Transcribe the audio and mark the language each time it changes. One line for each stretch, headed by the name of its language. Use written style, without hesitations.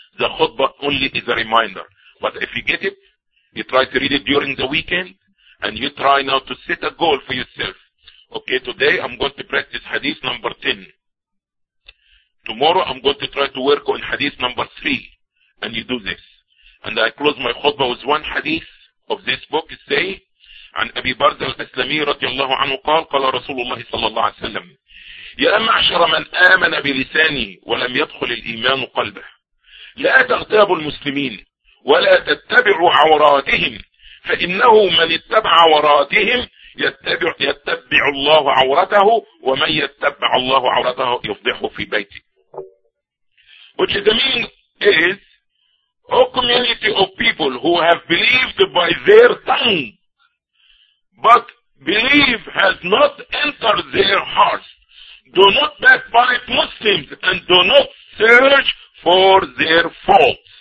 English: The khutbah only is a reminder. But if you get it, you try to read it during the weekend, and you try now to set a goal for yourself. Okay, today I'm going to practice hadith number 10. Tomorrow I'm going to try to work on hadith number 3. And you do this. And I close my khutbah with one hadith of this book. It say,
Arabic: عن أبي برد الأسلمي رضي الله عنه قال قال رسول الله صلى الله عليه وسلم يا معشر من آمن بلساني ولم يدخل الإيمان قلبه لا تغتابوا المسلمين ولا تتبعوا عوراتهم فإنه من اتبع عوراتهم يتبع الله عورته ومن يتبع الله عورته يفضحه في بيته.
English: Which the meaning is, a community of people who have believed by their tongue, but belief has not entered their hearts, do not backbite Muslims and do not search for their faults.